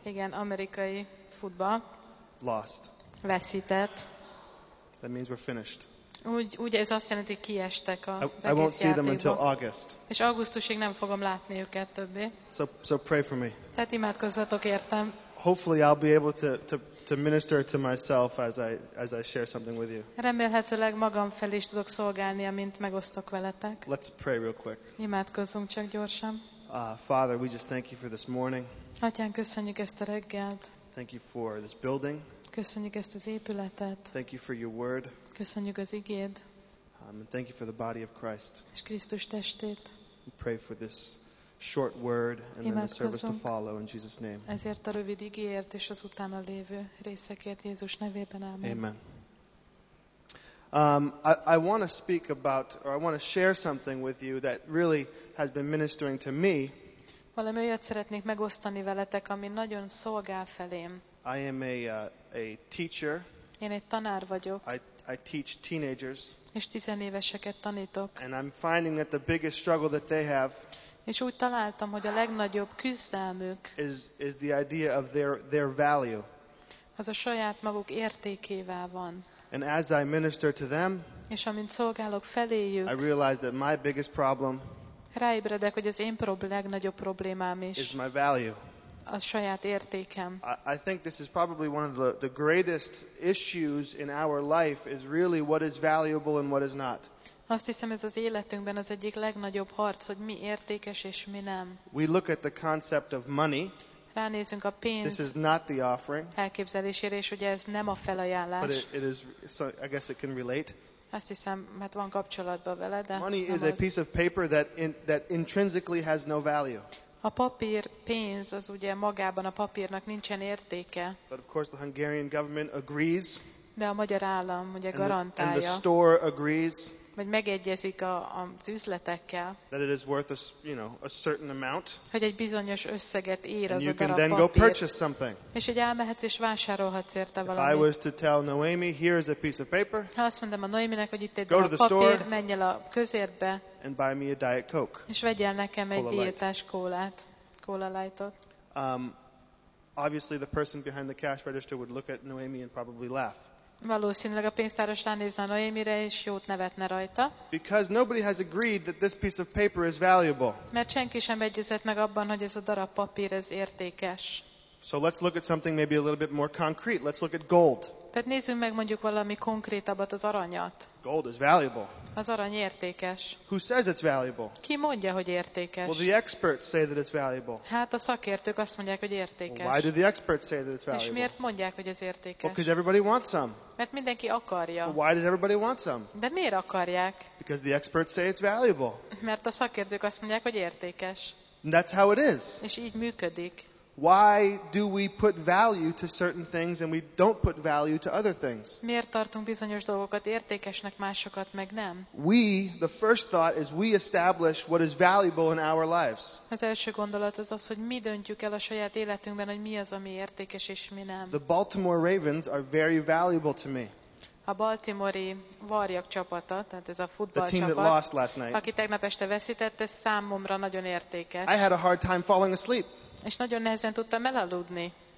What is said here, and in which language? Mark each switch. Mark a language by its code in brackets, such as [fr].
[hu] Igen, amerikai futball. [en] Lost. [hu] Veszített. [en] That means we're finished. [hu] Úgy ez azt jelenti, hogy kiestek az egész játékban. [en] I won't see them until August. [hu] És augusztusig nem fogom látni őket többé. [en] So pray for me. [hu] Tehát imádkozzatok értem. [en] Hopefully I'll be able to minister to myself as I share something with you. [hu] Remélhetőleg magam felé is tudok szolgálni, amint megosztok veletek. [en] Let's pray real quick. [hu] Imádkozzunk csak gyorsan. [en] Father, we just thank you for this morning. [hu] Atyán, köszönjük ezt a reggelt. [en] Thank you for this building. [hu] Köszönjük ezt az épületet. [en] Thank you for your word. [hu] Köszönjük az igéd. [en] And thank you for the body of Christ. [hu] És Krisztus testét. [en] We pray for this short word and then the service to follow in Jesus' name. [hu] Ezért a rövid igéért és az utána lévő részekért Jézus nevében, amen. [en] Amen. I want to speak about, or I want to share something with you that really has been ministering to me. [hu] Valami olyat szeretnék megosztani veletek, ami nagyon szolgál felém. [en] I am a teacher. [hu] Én egy tanár vagyok. [en] I teach teenagers. [hu] És tizenéveseket tanítok. [en] And I'm finding that the biggest struggle that they have. [hu] És úgy találtam, hogy a legnagyobb küzdelmük. [en] Is the idea of their value. [hu] Az a saját maguk értékével van. [en] And as I minister to them. [hu] És amint szolgálok feléjük. [en] I realize that my biggest problem. [hu] Ráébredek, hogy az én legnagyobb problémám is. [en] Is my value. [hu] A saját értékem. [en] I think this is probably one of the greatest issues in our life is really what is valuable and what is not. [hu] Azt hiszem, ez az életünkben az egyik legnagyobb harc, hogy mi értékes és mi nem. [en] We look at the concept of money. [hu] Ránézünk a pénz. [en] This is not the offering. [hu] Elképzelésére, és ugye ez nem a felajánlás. [en] But it is, so I guess it can relate. [hu] Azt hiszem, mert van kapcsolatban vele, de [en] money is [hu] az. [en] A piece of paper that intrinsically has no value. [hu] A papír pénz az ugye magában a papírnak nincsen értéke. [en] But of course the Hungarian government agrees. [hu] De a magyar állam ugye garantálja. [en] And the store agrees. [hu] Vagy megegyezik az üzletekkel. [en] That it is worth a certain amount. [hu] Hogy egy bizonyos összeget ér az a darab papír. [en] And you can then go purchase something. [hu] És hogy elmehetsz és vásárolhatsz érte valamit. [en] If I was to tell Noemi, here is a piece of paper. [hu] Ha azt mondom a Noeminek, hogy itt egy darab papír, menj el a közértbe. [en] And buy me a Diet Coke. [hu] És vegyél nekem egy diétás kólát, Cola Light-ot. [en] Obviously the person behind the cash register would look at Noemi and probably laugh. [hu] Valószínűleg a pénztáros ránézne Noémire, és jót nevetne rajta. [en] Because nobody has agreed that this piece of paper is valuable. [hu] Mert senki sem egyezett meg abban, hogy ez a darab papír ez értékes. [en] So let's look at something maybe a little bit more concrete. Let's look at gold. [hu] Tehát nézzünk meg mondjuk valami konkrétabbat, az aranyat. [en] Gold is valuable. [hu] Az arany értékes. [en] Who says it's valuable? [hu] Ki mondja, hogy értékes? [en] Well, the experts say that it's valuable. [hu] Hát a szakértők azt mondják, hogy értékes. [en] Well, why do the experts say that it's valuable? [hu] És miért mondják, hogy ez értékes? [en] Well, because everybody wants some. [hu] Mert mindenki akarja. [en] Well, why does everybody want some? [hu] De miért akarják? [en] Because the experts say it's valuable. [hu] Mert a szakértők azt mondják, hogy értékes. [en] And that's how it is. [hu] És így működik. [en] Why do we put value to certain things and we don't put value to other things? [hu] Miért tartunk bizonyos dolgokat értékesnek, másokat meg nem? [en] We, the first thought is we establish what is valuable in our lives. [hu] Az első gondolat az az, hogy mi döntjük el a saját életünkben, hogy mi az, ami értékes és mi nem. [en] The Baltimore Ravens are very valuable to me. [hu] A baltimori varjak csapata, tehát ez a futball csapat, [en] that lost last night, [hu] aki tegnap este veszített, ez számomra nagyon értékes. [en] I had a hard time falling asleep. [hu] És nagyon nehezen tudtam elaludni.